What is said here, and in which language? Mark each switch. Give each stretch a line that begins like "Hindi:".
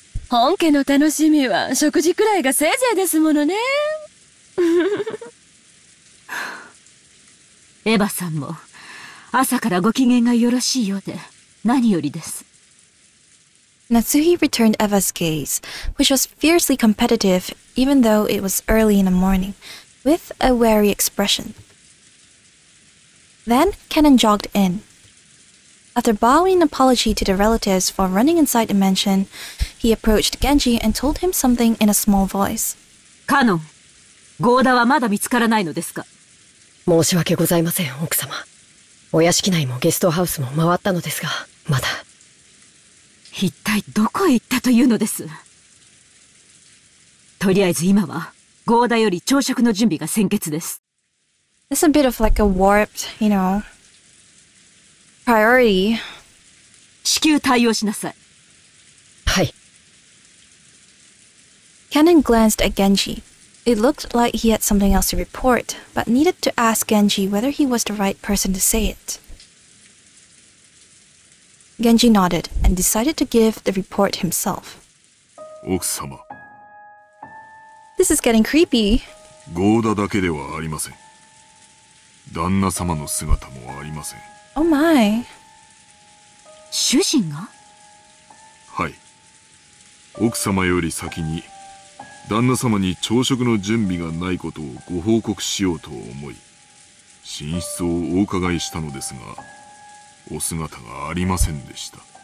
Japanese: 本家の楽しみは食事くらいがせいぜいですものね。エヴァさんも朝からご機嫌がよろしいようで何よりです。
English: Natsuhi returned Eva's gaze, which was fiercely competitive even though it was early in the morning, with a wary expression. Then, Kanon jogged in. After bowing an apology to the relatives for running inside the mansion, he approached Genji and told him something in a small voice.
Japanese: Kanon, Gouda wa mada mitsukaranai no desu ka? Moushiwake gozaimasen, okusama. Oyashikinai mo guesthouse mo mawatta no desu ga, mada... 一体どこへ行ったというのです。とりあえず今は、ゴーダより朝食の準備が先決です。
English: It's a bit of like a warped, you know, priority.
Japanese: 至急対応しなさい。はい。
English: Kanon glanced at Genji. It looked like he had something else to report, but needed to ask Genji whether he was the right person to say it. Genji nodded and decided to give the report himself.
Japanese: 奥様。
English: This is getting creepy.
Japanese: ゴーダだけではありません。旦那様の姿もありません。
English: Oh my.
Japanese: 主人が？はい。奥様より先に旦那様に朝食の準備がないことをご報告しようと思い、寝室をお伺いしたのですが、お姿がありませんでした。